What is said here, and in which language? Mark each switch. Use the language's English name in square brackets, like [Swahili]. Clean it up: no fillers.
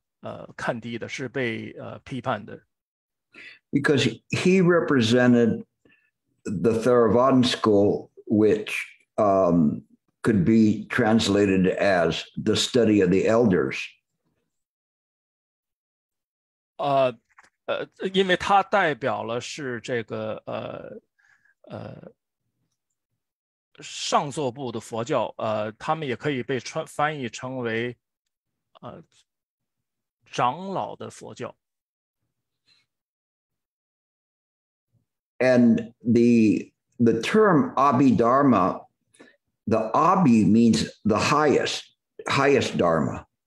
[Chinese] 但是在后来的大乘的系统里面，在大乘的经典里面，舍利弗在这些经典里呢是被看低的，是被批判的。 [English] Because he represented the Theravada school, which could be translated as the study of the elders. [Chinese] 因为它代表了是这个上座部的佛教，他们也可以被翻译成为长老的佛教。 [English] And the term Abhidharma, the Abhi means the highest Dharma.